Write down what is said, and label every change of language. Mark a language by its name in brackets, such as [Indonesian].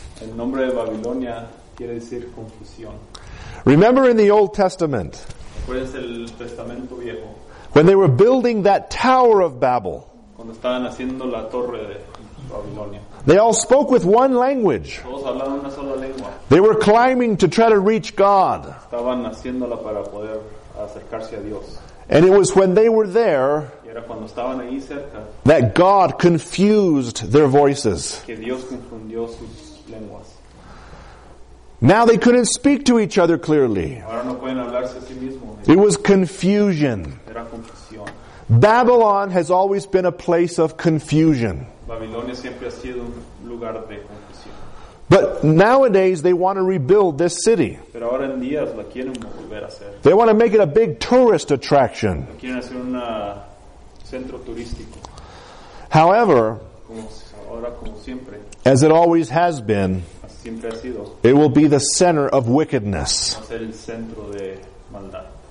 [Spanish] El nombre de Babilonia quiere decir confusión. [English] Remember in the Old Testament, [Spanish] ¿recuerdas el Testamento viejo? [English] When they were building that Tower of Babel, [Spanish] cuando estaban haciendo la Torre de Babilonia, [English] they all spoke with one language. [Spanish] Todos hablaban una sola lengua. [English] They were climbing to try to reach God. [Spanish] Estaban haciéndola para poder acercarse a Dios. [English] And it was when they were there [Spanish] era cuando estaban ahí cerca, [English] that God confused their voices. [Spanish] Que Dios confundió sus lenguas. [English] Now they couldn't speak to each other clearly. [Spanish] Ahora no pueden hablarse a sí mismo. [English] It was confusion. [Spanish] Era confusión. [English] Babylon has always been a place of confusion. [Spanish] Babilonia siempre ha sido un lugar de confusión. [English] But nowadays they want to rebuild this city. [Spanish] Pero ahora en día la quieren volver a hacer. [English] They want to make it a big tourist attraction. [Spanish] La quieren hacer un centro turístico. [English] However, [Spanish] como siempre, [English] as it always has been, [Spanish] siempre ha sido, [English] it will be the center of wickedness. [Spanish] Va a ser el centro de maldad.